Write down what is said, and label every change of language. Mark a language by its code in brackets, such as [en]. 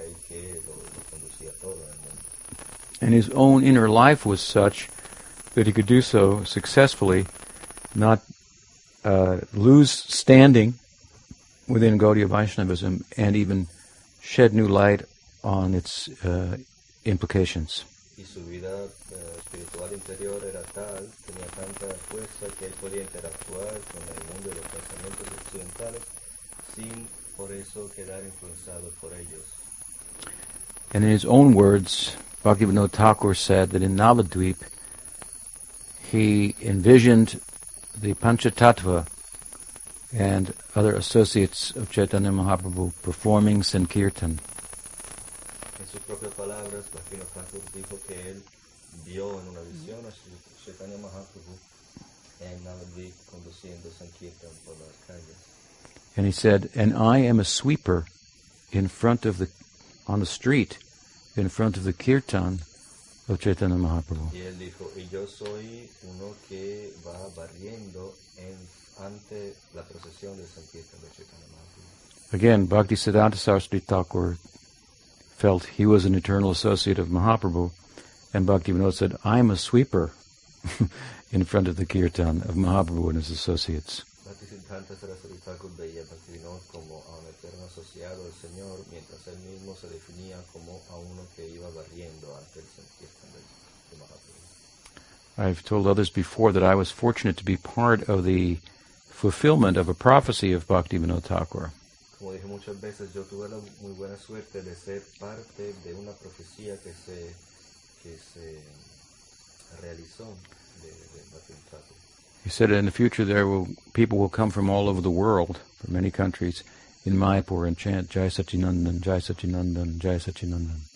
[en] And his own inner life was such that he could do so successfully, not lose standing within Gaudiya Vaishnavism, and even shed new light on its implications. [es] Y su vida espiritual interior era tal, tenía tanta fuerza que él podía interactuar con el mundo de los pensamientos occidentales sin por eso quedar influenciado por ellos. [en] And in his own words, Bhaktivinoda Thakur said that in Navadvip he envisioned the Panchatattva and other associates of Chaitanya Mahaprabhu performing Sankirtan. [es] En sus propias palabras, Bhaktivinoda Thakur dijo que él vio en una visión a Chaitanya Mahaprabhu en Navadvip conduciendo Sankirtan por las calles. [en] And he said, and I am a sweeper in front of the, on the street, in front of the kirtan of Chaitanya Mahaprabhu. [es] Y él dijo, y yo soy uno que va barriendo en ante la procesión de Sankirtan de Chaitanya Mahaprabhu. [en] Again, Bhaktisiddhanta Saraswati Thakur felt he was an eternal associate of Mahaprabhu, and Bhaktivinoda said, I am a sweeper in front of the kirtan of Mahaprabhu and his associates. [es] Bhaktisiddhanta Saraswati Thakur veía a Bhaktivinoda como a un eterno asociado del Señor, mientras él mismo se definía como a uno que iba barriendo ante el Sankirtan de Mahaprabhu. [en] I've told others before that I was fortunate to be part of the fulfillment of a prophecy of Bhaktivinoda Thakur. [es] Como dije muchas veces, yo tuve la muy buena suerte de ser parte de una profecía que se realizó de Bhaktivinoda Thakur. [en] He said in the future people will come from all over the world, from many countries, in Mayapur and chant Jai Satchinandan, Jai Satchinandan, Jai Satchinandan.